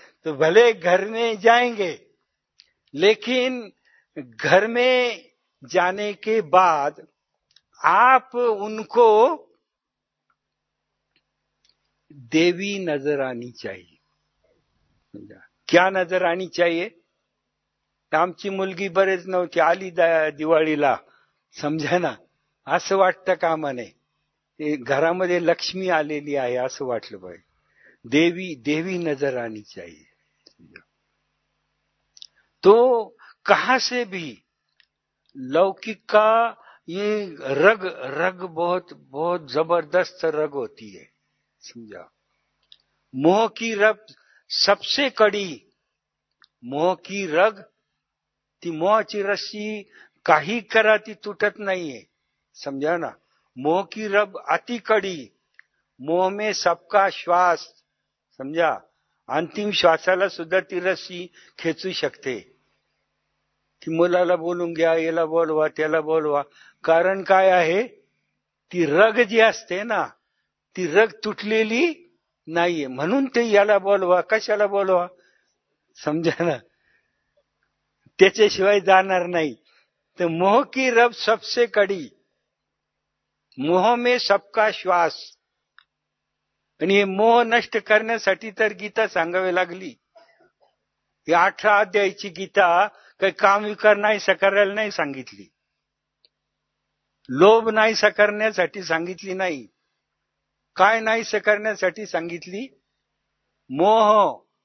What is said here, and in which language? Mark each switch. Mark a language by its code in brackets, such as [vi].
[hi] तो भले घर में जाएंगे, लेकिन घर में जाने के बाद आप उनको देवी नजर आनी चाहिए। क्या नजर आनी चाहिए? [mr] आमची मुलगी बरेच नव्हती आली दिवाळीला, समजा ना, असं वाटतं का मने, घरामध्ये लक्ष्मी आलेली आहे असं वाटलं पाहिजे। [hi] देवी देवी नजर आनी चाहिए। तो कहां से भी लौकिक का ये रग रग बहुत बहुत जबरदस्त रग होती है, समझा? मोह की रग सबसे कड़ी, मोह की रग [mr] ती मोहची रस्सी काही करा ती तुटत [hi] नहीं है, समझा ना? मोह की रग अति कड़ी, मोह में सबका श्वास, समझा? [mr] अंतिम श्वासाला सुद्धा ती रस्सी खेचू शकते, कि मुलाला बोलून घ्या, याला बोलवा, त्याला बोलवा। कारण काय आहे? ती रग जी असते ना, ती रग तुटलेली नाहीये, म्हणून ते याला बोलवा, कशाला बोलवा, समजा ना? त्याच्याशिवाय जाणार नाही। [hi] तर मोह की रब सबसे कडी, मोह मे सबका श्वास। [mr] आणि हे मोह नष्ट करण्यासाठी तर गीता सांगावी लागली, ही 18 अध्यायाची गीता काही काम विकार नाही सकारायला नाही सांगितली, लोभ नाही सकारण्यासाठी सांगितली नाही, काय नाही करण्यासाठी सांगितली? मोह।